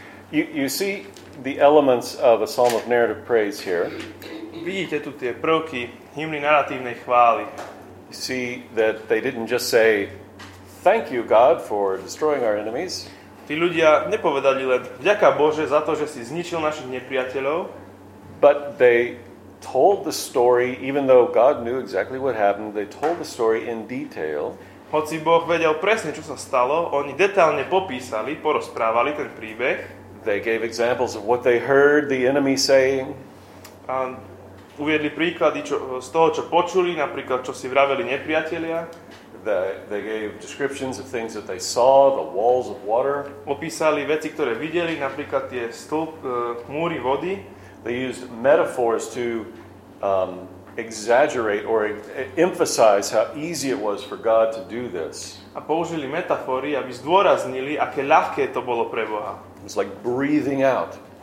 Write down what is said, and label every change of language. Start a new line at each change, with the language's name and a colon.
English: You see the elements of a psalm of narrative praise here.
Slovak: Vidíte tu tie prvky hymny narratívnej chvály.
English: You see that they didn't just say thank you God for destroying our enemies.
Slovak: Tí ľudia nepovedali len vďaka Bože za to, že si zničil našich nepriateľov.
English: But they told the story, even though God knew exactly what happened, they told the story in detail.
Slovak: Hoci Boh vedel presne, čo sa stalo, oni detailne popísali, porozprávali ten príbeh.
English: They gave examples of what they heard the enemy saying.
Slovak: A uviedli príklady z toho, čo počuli, napríklad, čo si vraveli nepriatelia.
English: They gave descriptions of things that they saw, the walls of water.
Slovak: Opísali veci, ktoré videli, napríklad tie múry vody.
English: They used metaphors to exaggerate or emphasize how easy it was for God to do this.
Slovak: A použili metafory, aby zdôraznili, aké ľahké to bolo pre Boha.
English: It was like breathing out.